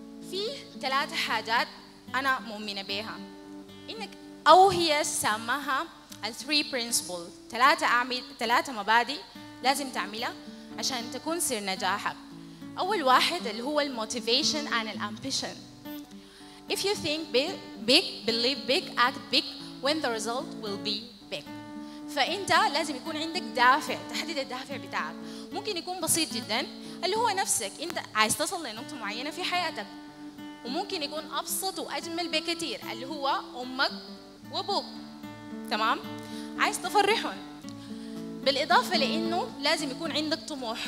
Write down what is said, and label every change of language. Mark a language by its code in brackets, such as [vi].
[ar] في ثلاث حاجات أنا مؤمنة بها، إنك أو هي سماها الـ 3 principles، ثلاثة مبادئ لازم تعملها عشان تكون سر نجاحك. أول واحد اللي هو الموتيفيشن and الامبيشن. [en] If you think big, believe big, act big, when the result will be big. [ar] فأنت لازم يكون عندك دافع، تحدد الدافع بتاعك. ممكن يكون بسيط جدا، اللي هو نفسك، أنت عايز تصل لنقطة معينة في حياتك، وممكن يكون أبسط وأجمل بكتير، اللي هو أمك وأبوك، تمام؟ عايز تفرحهم، بالإضافة لأنه لازم يكون عندك طموح.